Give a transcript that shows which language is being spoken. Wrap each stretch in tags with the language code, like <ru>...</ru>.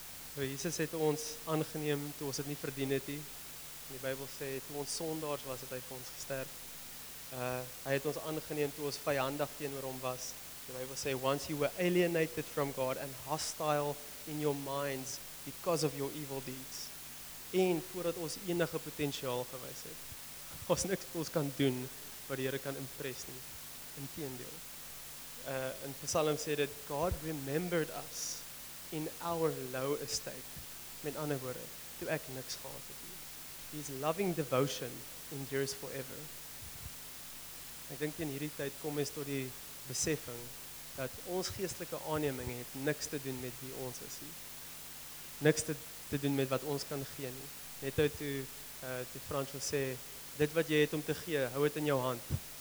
<af>So Jesus het ons aangeneem toe ons het nie verdien het nie. Die Bybel sê, toe ons sondaars was, het hy vir ons gesterf. Hy het ons aangeneem toe ons vyandig teenoor hom was. Die Bybel sê,</af> <en>once you were alienated from God and hostile in your minds, because of your evil deeds.</en> <af>En voordat ons enige potensiaal gewys het, ons niks ons kan doen wat die Here kan impress nie. Inteendeel. In Psalm sê dit,</af> <en>God remembered us in our low estate.</en> <af>Met ander woorde, toe ek niks gehad het nie.</af> <en>His loving devotion endures forever.</en> <af>Ek dink in hierdie tyd kom ons tot die beseffing dat ons geestelike aanneming het niks te doen met wie ons is nie. Niks te doen met wat ons kan gee nie. Net uit toe Frans wil sê, dit wat jy het om te gee, hou het in jou hand.</af>